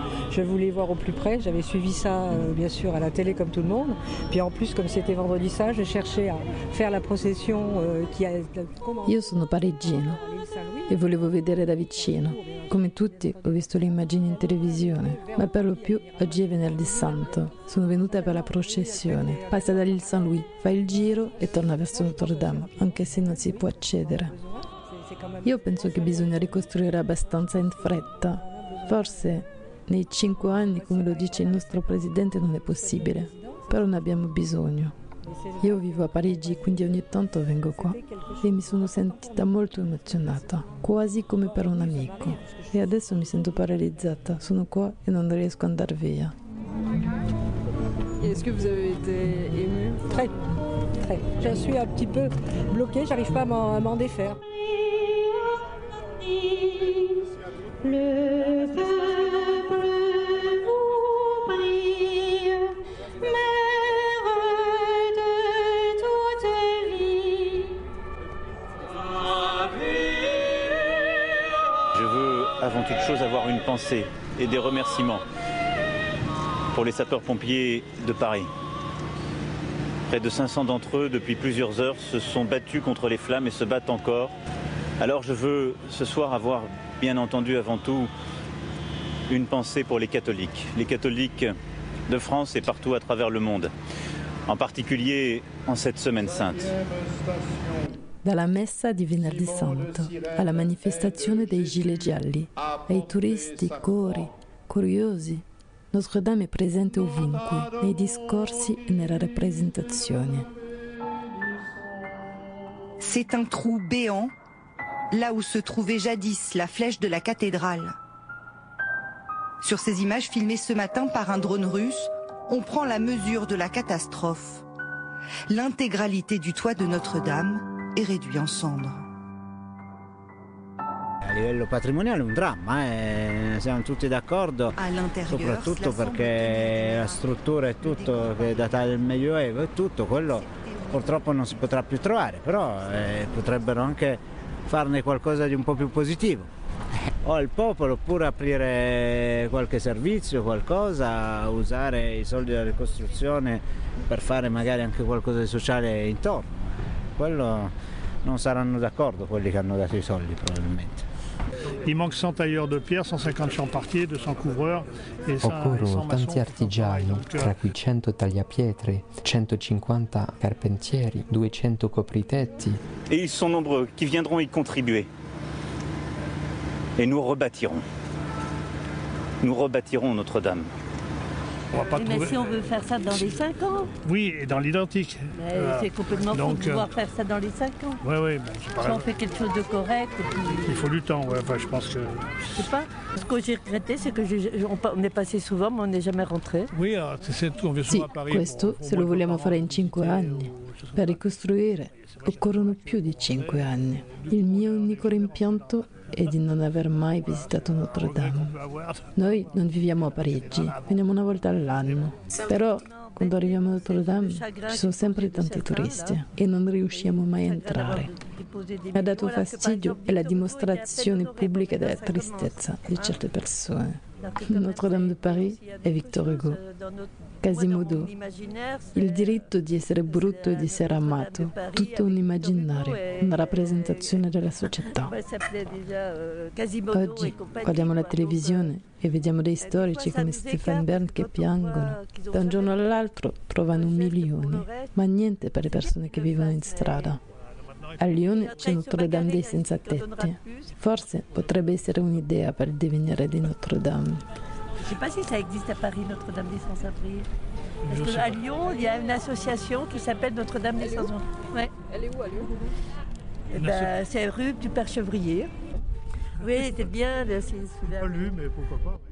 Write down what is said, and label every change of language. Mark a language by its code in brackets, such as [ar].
[fr] Je voulais voir au plus près, j'avais suivi ça bien sûr à la télé comme tout le monde. Puis en plus, comme c'était vendredi saint, je cherchais à faire la procession qui a [it] Io sono parigino e volevo vedere da vicino. Come tutti, ho visto le immagini in televisione, ma per lo più oggi è venerdì santo. Sono venuta per la processione. Passa dall'Île Saint-Louis, fa il giro e torna verso Notre-Dame, anche se non si può accedere. Io penso che bisogna ricostruire abbastanza in fretta. Forse nei 5 anni, come lo dice il nostro presidente, non è possibile. però ne abbiamo bisogno. Io vivo a Parigi, quindi ogni tanto vengo qua e mi sono sentita molto emozionata, quasi come per un amico. E adesso mi sento paralizzata, sono qua e non riesco ad andare via. [fr] Est-ce que vous avez été ému? Très, très. Je suis un petit peu bloquée, j'arrive pas à m'en défaire. Le peuple vous prie, mère de toute vie. Je veux avant toute chose avoir une pensée et des remerciements pour les sapeurs-pompiers de Paris. Près de 500 d'entre eux, depuis plusieurs heures, se sont battus contre les flammes et se battent encore. Alors je veux ce soir avoir, bien entendu, avant tout, une pensée pour les catholiques de France et partout à travers le monde, en particulier en cette semaine sainte. [it] Dalla messa di venerdì santo, alla manifestazione dei gilets gialli, ai turisti, cori, curiosi, Notre Dame è presente ovunque, nei discorsi e nella rappresentazione. [fr] C'est un trou béant, là où se trouvait jadis la flèche de la cathédrale. Sur ces images filmées ce matin par un drone russe, on prend la mesure de la catastrophe. L'intégralité du toit de Notre-Dame est réduite en cendres. [it] A livello patrimoniale è un dramma, siamo tutti d'accordo, soprattutto perché la struttura è tutto, che è datata del Medioevo, è tutto, quello purtroppo non si potrà più trovare, però potrebbero anche farne qualcosa di un po' più positivo. O al popolo, oppure aprire qualche servizio, qualcosa, usare i soldi della ricostruzione per fare magari anche qualcosa di sociale intorno. Quello non saranno d'accordo quelli che hanno dato i soldi probabilmente. [fr] Il manque 100 tailleurs de pierre, 150 charpentiers, 200 coureurs [it] et occorrono 100 tanti artigiani, tra cui 100 tagliapietre, 150 carpentieri, 200 copritetti. [fr] Et ils sont nombreux qui viendront y contribuer. Et nous rebâtirons. Nous rebâtirons Notre-Dame. On va pas trouver... Mais si on veut faire ça dans les 5 ans. Oui, et dans l'identique. C'est complètement fou de pouvoir faire ça dans les 5 ans. Oui, oui. Si on fait quelque chose de correct. Puis... Il faut du temps, ouais. Enfin, je pense que. Je sais pas. Ce que j'ai regretté, c'est que on est passé souvent, mais on n'est jamais rentré. Oui, c'est tout. On vient souvent si, à Paris. [it] Questo, pour, se lo vogliamo fare in 5 anni. Per ricostruire, occorrono più di 5 anni. Il mio unico rimpianto è di non aver mai visitato Notre-Dame. Noi non viviamo a Parigi, veniamo una volta all'anno. Però quando arriviamo a Notre-Dame ci sono sempre tanti turisti e non riusciamo mai a entrare. Mi ha dato fastidio e la dimostrazione pubblica della tristezza di certe persone. Notre-Dame de Paris è Victor Hugo. Quasimodo, il diritto di essere brutto e di essere amato, tutto un immaginario, una rappresentazione della società. Oggi guardiamo la televisione e vediamo dei storici come Stephen Bern che piangono. Da un giorno all'altro trovano milioni, ma niente per le persone che vivono in strada. A Lione c'è Notre-Dame dei senza tetti. Forse potrebbe essere un'idea per il divenire di Notre-Dame. [fr] Je ne sais pas si ça existe à Paris, Notre-Dame des Sans-Abris. Parce qu'à Lyon, il y a une association qui s'appelle Notre-Dame des Sans-Abris. Ouais. Elle est où, à Lyon? C'est rue du Père Chevrier. Oui, c'est bien. Là, c'est pas lui, mais pourquoi pas.